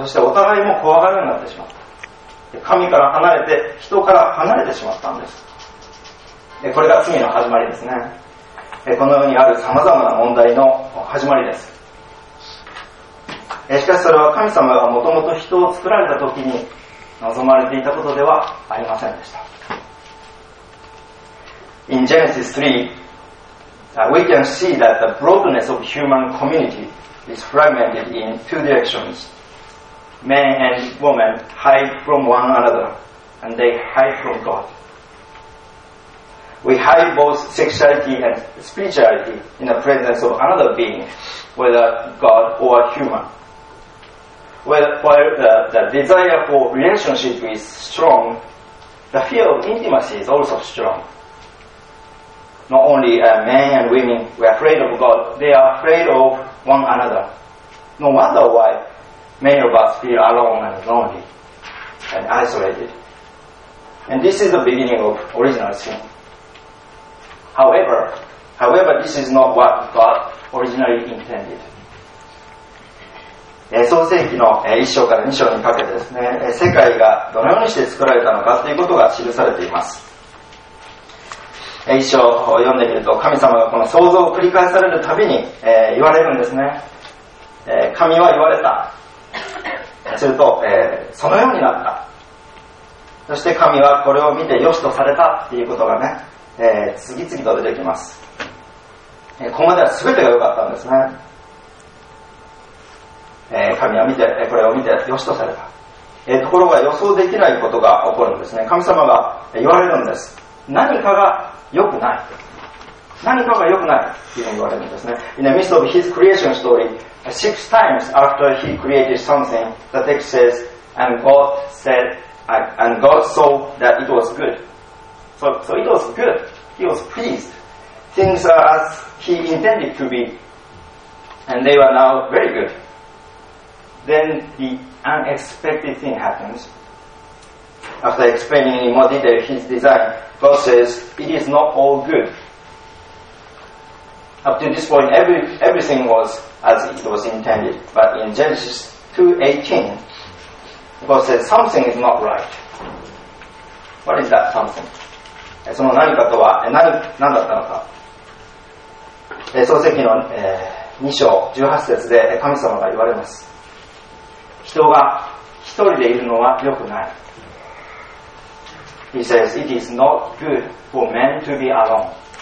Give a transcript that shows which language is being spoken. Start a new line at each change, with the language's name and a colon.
Japanese: そしてお互いも怖がるようになってしまった。神から離れて、人から離れてしまったんです。これが罪の始まりですね。このようにある様々な問題の始まりです。しかしそれは神様がもともと人を作られた時に望まれていたことではありませんでした。
English: In Genesis 3,we can see that the broadness of human community is fragmented in two directions. Men and women hide from one another, and they hide from God. We hide both sexuality and spirituality in the presence of another being, whether God or human. While the desire for relationship is strong, the fear of intimacy is also strong. Not only men and women were afraid of God, they are afraid of one another. No wonder why many of us feel alone and lonely and isolated. And this is the beginning of original sin. However, However, this is not what God originally intended.
Japanese: 創世記の1章から2章にかけてですね、世界がどのようにして作られたのかということが記されています。 1章を読んでみると、神様がこの創造を繰り返されるたびに言われるんですね。神は言われた、すると、そのようになった、そして神はこれを見て良しとされたということがね、次々と出てきます。ここまでは全てが良かったんですね。神は見て、これを見て良しとされた。ところが予想できないことが起こるんですね。神様が言われるんです。何かが良くない。何かが良くないというふうに言われるんですね。
English: In the midst of his creation story, six times after he created something, the text says, and God said, and God saw that it was good. So it was good. He was pleased. Things are as he intended to be, and they were now very good. Then the unexpected thing happens. After explaining in more detail his design, God says, it is not all good. Up to this point, everything was as it was intended. But in Genesis 2:18, God says, something is not right. What is that something?
Japanese: その何かとは、何だったのか。創世記の2章18節で神様が言われます。人が一人でいるのは良くない。
English: He says, it is not good for men to be alone.